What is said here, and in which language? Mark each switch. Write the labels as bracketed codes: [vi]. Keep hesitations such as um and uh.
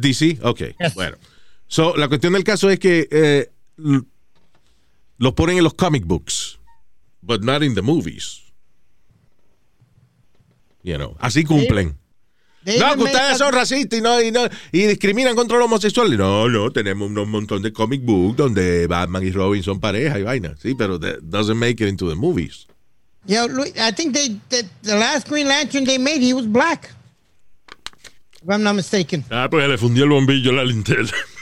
[es] DC. DC. Ok, yes. bueno. So, la cuestión del caso es que eh, los ponen en los comic books, [en] but not in the movies. You know, [es] así cumplen. They, they no, que ustedes son racistas a... y, no, y, no, y discriminan contra los homosexuales. No, no, tenemos un montón de comic books donde Batman y Robin son pareja y vaina. Sí, pero no [en] doesn't make it into the movies. Yo, I think they, they the, the, last Green Lantern they made, he was black. If I'm not mistaken. [es] Ah, pues ya le fundió el bombillo a la linterna.